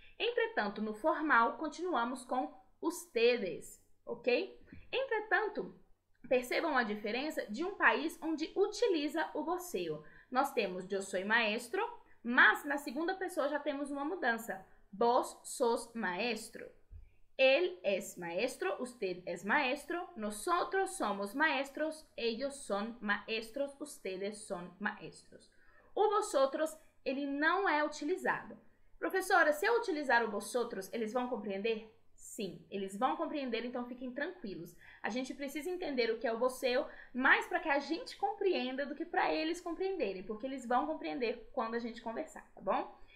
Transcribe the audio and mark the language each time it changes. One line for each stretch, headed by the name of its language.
Portuguese: Entretanto, no formal, continuamos com ustedes, ok? Entretanto, percebam a diferença de um país onde utiliza o voseo. Nós temos
Spanish: yo soy maestro,
Portuguese: mas na segunda pessoa já temos uma mudança.
Spanish: Vos sos maestro. Él es maestro, usted es maestro, nosotros somos maestros, ellos son maestros, ustedes son maestros.
Portuguese: O vosotros, ele não é utilizado. Professora, se eu utilizar o vosotros, eles vão compreender? Sim, eles vão compreender, então fiquem tranquilos. A gente precisa entender o que é o voseo, mais para que a gente compreenda do que para eles compreenderem, porque eles vão compreender quando a gente conversar, tá bom?